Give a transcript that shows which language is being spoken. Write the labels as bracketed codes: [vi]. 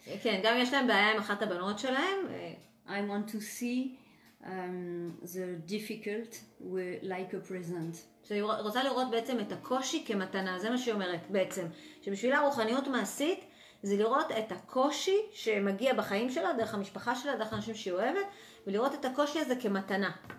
[he] כן, גם יש להם בעיה עם אחת הבנות שלהם. [en] I want to see the difficult like a present. [he] So היא רוצה לראות בעצם את הקושי כמתנה, זה מה שהיא אומרת בעצם. שבשבילה רוחניות מעשית זה לראות את הקושי שמגיע בחיים שלה, דרך המשפחה שלה, דרך אנשים שהיא אוהבת, ולראות את הקושי הזה כמתנה.